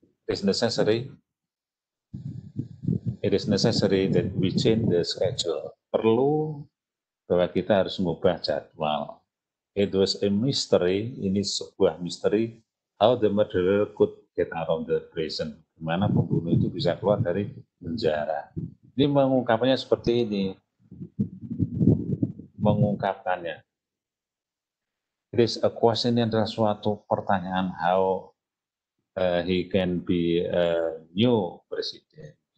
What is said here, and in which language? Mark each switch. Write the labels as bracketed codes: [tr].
[en] It is necessary that we change the schedule. [id] Perlu bahwa kita harus mengubah jadwal. [en] It was a mystery. [id] Ini sebuah misteri. [en] How the murderer could get out of the prison. [id] Gimana pembunuh itu bisa keluar dari penjara. Ini mengungkapkannya seperti ini. Mengungkapkannya. [en] It is a question. [id] Ini adalah suatu pertanyaan. [en] How he can be a new president.